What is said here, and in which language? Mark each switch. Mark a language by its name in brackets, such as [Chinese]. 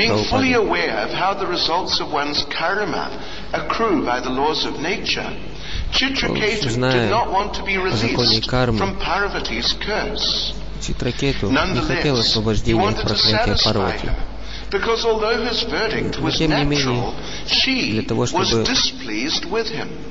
[English] Being fully aware of how the results of one's karma accrue by the laws of nature, Chitraketu did not want to be released from Parvati's curse. [Russian] Читракету не хотел освобождения от проклятия Парвати. [English] Because although his verdict was natural, she was displeased with him.